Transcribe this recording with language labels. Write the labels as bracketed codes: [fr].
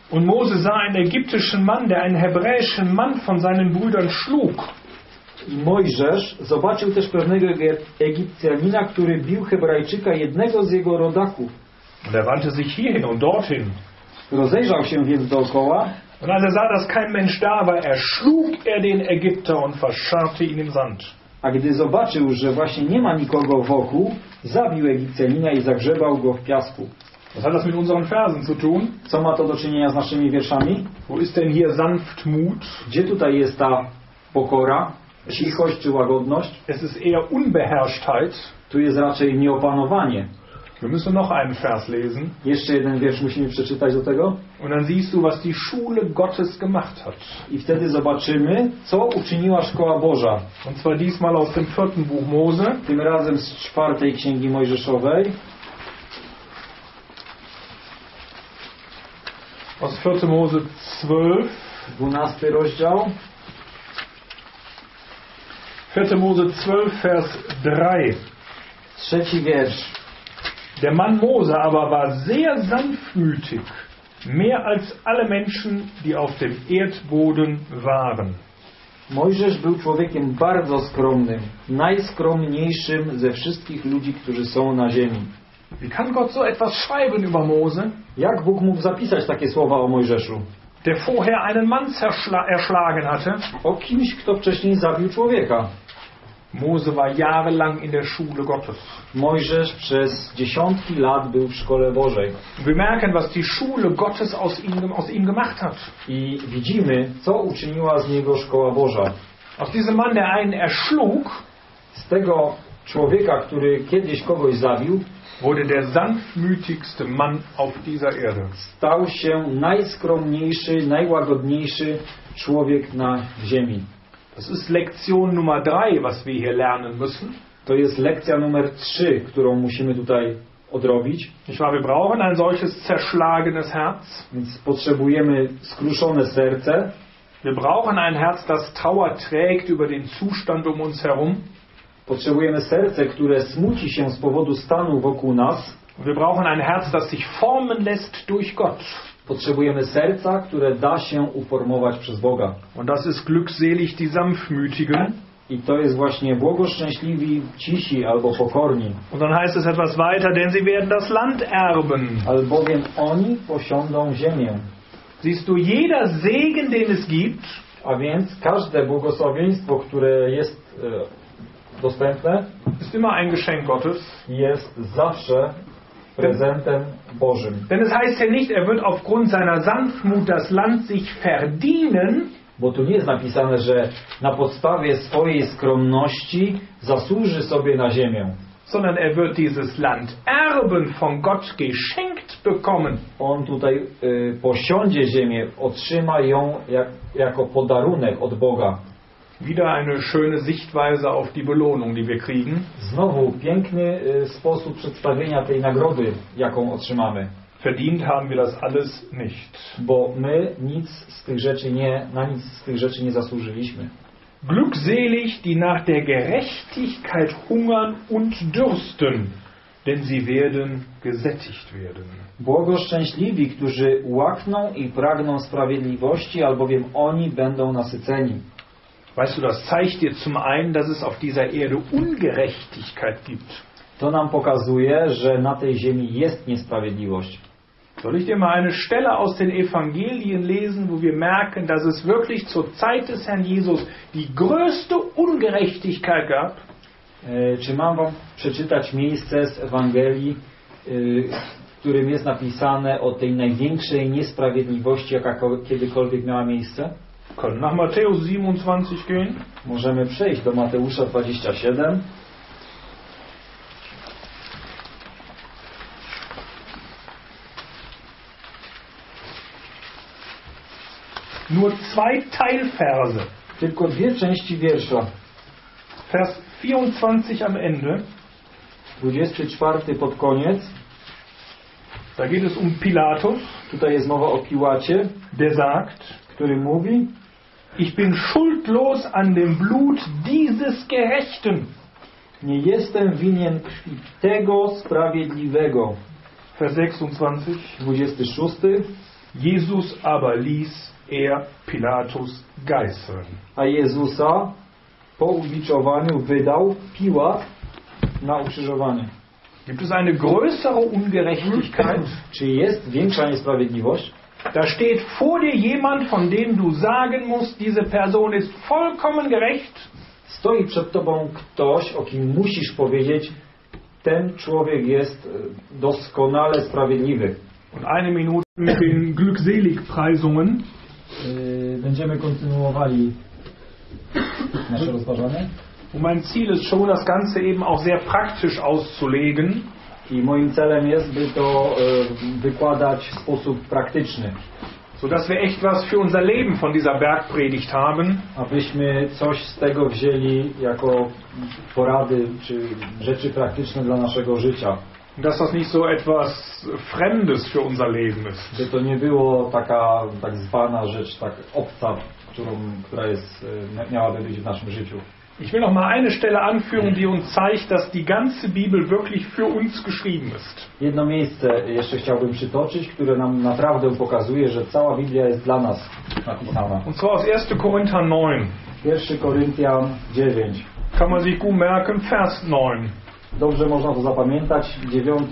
[de] Und Mose sah einen ägyptischen Mann, der einen hebräischen Mann von seinen Brüdern schlug. [pl] I Mojżesz zobaczył też pewnego Egipcjanina, który bił Hebrajczyka, jednego z jego rodaków. [de] Und er wandte sich hierhin und dorthin. [pl] Rozejrzał się więc dookoła. [de] Und als er sah, dass kein Mensch da war, erschlug er den Ägypter und verscharrte ihn im Sand. [pl] A gdy zobaczył, że właśnie nie ma nikogo wokół, zabił Egipcjanina i zagrzebał go w piasku. [de] Was hat das mit unseren Versen zu tun? [pl] Co ma to do czynienia z naszymi wierszami? [de] Wo ist denn hier Sanftmut? [pl] Gdzie tutaj jest ta pokora, cichość czy łagodność? [de] Es ist eher Unbeherrschtheit. [pl] Tu jest raczej nieopanowanie. [de] Wir müssen noch einen Vers lesen. [pl] Jeszcze jeden wiersz musimy przeczytać do tego. [de] Und dann siehst du, was die Schule Gottes gemacht hat. [pl] I wtedy zobaczymy, co uczyniła Szkoła Boża. [de] Und zwar diesmal aus dem 4. Buch Mose. [pl] Tym razem z 4. Księgi Mojżeszowej. [de] Aus 4. Mose 12. [pl] 12. rozdział. [de] 4. Mose 12, vers 3. [pl] Trzeci wiersz. [de] Der Mann Mose aber war sehr sanftmütig mehr als alle Menschen, die auf dem Erdboden waren. [pl] Mojżesz był człowiekiem bardzo skromnym, najskromniejszym ze wszystkich ludzi, którzy są na ziemi. [de] Wie kann Gott so etwas schreiben über Mose? [pl] Jak Bóg mógł zapisać takie słowa o Mojżeszu? [de] Der vorher einen Mann erschlagen hatte. [pl] O kimś, kto wcześniej zabił człowieka. [de] Mose war jahrelang in der Schule Gottes. [pl] Mojżesz przez dziesiątki lat był w szkole Bożej. [de] Wir merken, was die Schule Gottes aus ihm gemacht hat. [pl] I widzimy, co uczyniła z niego szkoła Boża. [de] Aus diesem Mann, der einen erschlug, [pl] z tego człowieka, który kiedyś kogoś zabił, [de] wurde der sanftmütigste Mann auf dieser Erde. [pl] Stał się najskromniejszy, najłagodniejszy człowiek na ziemi. [de] Das ist Lektion Nummer 3, was wir hier lernen müssen. [pl] To jest lekcja numer 3, którą musimy tutaj odrobić. [de] Wir brauchen ein solches zerschlagenes Herz. [pl] Więc potrzebujemy skruszone serce. [de] Wir brauchen ein Herz, das Trauer trägt über den Zustand um uns herum. [pl] Potrzebujemy serce, które smuci się z powodu stanu wokół nas. [de] Wir brauchen ein Herz, das sich formen lässt durch Gott. [pl] Potrzebujemy serca, które da się uformować przez Boga. [de] Und das ist glückselig die sanftmütigen. [pl] I to jest właśnie błogoszczęśliwi, cisi albo pokorni. [de] Und dann heißt es etwas weiter, denn sie werden das Land erben. [pl] Albowiem oni posiądą ziemię. [de] Siehst du, jeder Segen, den es gibt, [pl] a więc każde błogosławieństwo, które jest dostępne, [de] ist immer ein Geschenk Gottes. [pl] Jest zawsze prezentem Bożym. [de] Denn es heißt ja nicht, er wird aufgrund seiner Sanftmut das Land sich verdienen. [pl] Bo tu nie jest napisane, że na podstawie swojej skromności zasłuży sobie na ziemię. [de] Sondern er wird dieses Land erben, von Gott geschenkt bekommen. [pl] On tutaj posiądzie ziemię, otrzyma ją jako podarunek od Boga. [de] Wieder eine schöne Sichtweise auf die Belohnung, die wir kriegen. [pl] Znowu piękny sposób przedstawienia tej nagrody, jaką otrzymamy. [de] Verdient haben wir das alles nicht. [pl] Bo my nic z tych rzeczy nie zasłużyliśmy. [de] Glückselig, die nach der Gerechtigkeit hungern und dürsten, denn sie werden gesättigt werden. [pl] Błogoszczęśliwi, którzy łakną i pragną sprawiedliwości, albowiem oni będą nasyceni. [de] Weißt du, das zeigt dir zum einen, dass es auf dieser Erde Ungerechtigkeit gibt. [pl] To nam pokazuje, że na tej ziemi jest niesprawiedliwość. [de] Soll ich dir mal eine Stelle aus den Evangelien lesen, wo wir merken, dass es wirklich zur Zeit des Herrn Jesus die größte Ungerechtigkeit gab? [pl] Czy mam wam przeczytać miejsce z Ewangelii, w którym jest napisane o tej największej niesprawiedliwości, jaka kiedykolwiek miała miejsce? [de] Können nach Matthäus 27 gehen? [pl] Możemy przejść do Mateusza 27. [de] Nur zwei Teilverse. [pl] Tylko dwie części wiersza. [de] Vers 24 am Ende. [pl] 24 pod koniec. [de] Da geht es um Pilatus. [pl] Tutaj jest mowa o Piłacie. [de] Der sagt, [pl] który mówi: [de] Ich bin schuldlos an dem Blut dieses Gerechten. [pl] Nie jestem winien krwi tego sprawiedliwego. [de] Vers 26. [pl] 26. [de] Jesus aber ließ er Pilatus geißeln. [pl] A Jezusa po ubiczowaniu wydał Piłat na ukrzyżowanie. [de] Gibt es eine größere Ungerechtigkeit? [pl] Czy jest większa niesprawiedliwość? [de] Da steht vor dir jemand, von dem du sagen musst, diese Person ist vollkommen gerecht. [pl] Stoi przed tobą ktoś, o kim musisz powiedzieć, ten człowiek jest doskonale sprawiedliwy. [de] Und eine Minute mit den Glückseligpreisungen. [pl] Będziemy kontynuowali nasze rozważanie. [de] Und mein Ziel ist schon, das Ganze eben auch sehr praktisch auszulegen. [pl] I moim celem jest, by to wykładać w sposób praktyczny. [de] So dass wir echt was für unser Leben von dieser Bergpredigt haben. [pl] Abyśmy coś z tego wzięli jako porady czy rzeczy praktyczne dla naszego życia. [de] Dass das nicht so etwas Fremdes für unser Leben ist. [pl] By to nie było taka tak zwana rzecz, tak obca, która jest, miałaby być w naszym życiu. [de] Ich will noch mal eine Stelle anführen, die uns zeigt, dass die ganze Bibel wirklich für uns geschrieben ist. [pl] Jedno miejsce jeszcze chciałbym przytoczyć, które nam naprawdę pokazuje, że cała Biblia jest dla nas napisana. [de] Und zwar aus 1. Korinther 9. [pl] 1. Korinthian 9. [de] Kann man sich gut merken, Vers 9. [pl] Dobrze można to zapamiętać, 9.